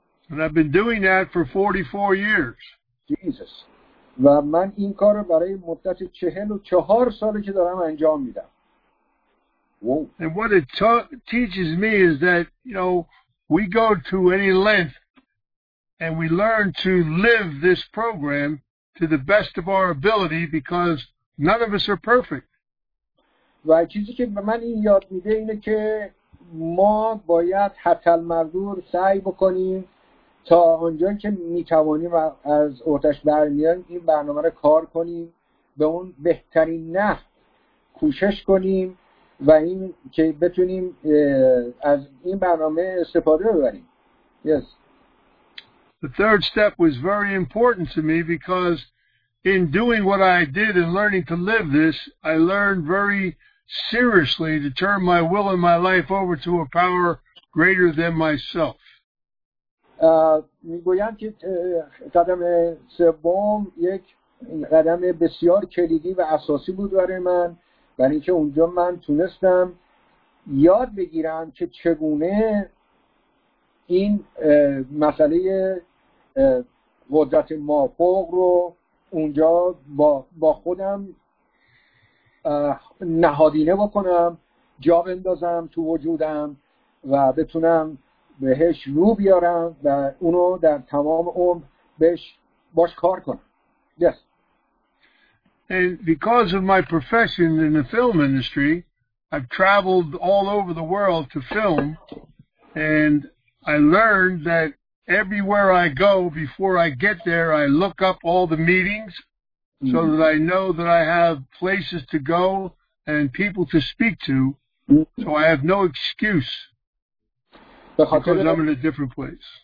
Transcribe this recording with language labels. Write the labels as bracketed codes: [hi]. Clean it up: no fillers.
[en] And I've been doing that for 44 years. Jesus. [fa] و من این کار رو برای مدت 44 ساله که دارم انجام میدم. [en] And what it teaches me is that, you know, we go to any length and we learn to live this program to the best of our ability because none of us are perfect. [fa] و چیزی که به من این یاد میده اینه که ما باید حتی‌المقدور سعی بکنیم تا اونجا که میتوانیم از اوتش برمیان این برنامه رو کار کنیم به اون بهترین نحو کوشش کنیم و این که بتونیم از این برنامه استفاده ببریم. [en] Yes. The third step was very important to me because in doing what I did and learning to live this, I learned very seriously to turn my will and my life over to a power greater than myself. [fa] میگویند که قدم سوم یک قدم بسیار کلیدی و اساسی بود برای من، برای اینکه اونجا من تونستم یاد بگیرم که چگونه این مسئله قدرت مافوق رو اونجا با خودم نهادینه بکنم، جا بندازم تو وجودم و بتونم بهش رو بیارم و اونو در تمام عمر باش کار کنم. [en] Yes. And because of my profession in the film industry, I've traveled all over the world to film, and I learned that everywhere I go, before I get there, I look up all the meetings so that I know that I have places to go and people to speak to, so I have no excuse because I'm in a different place.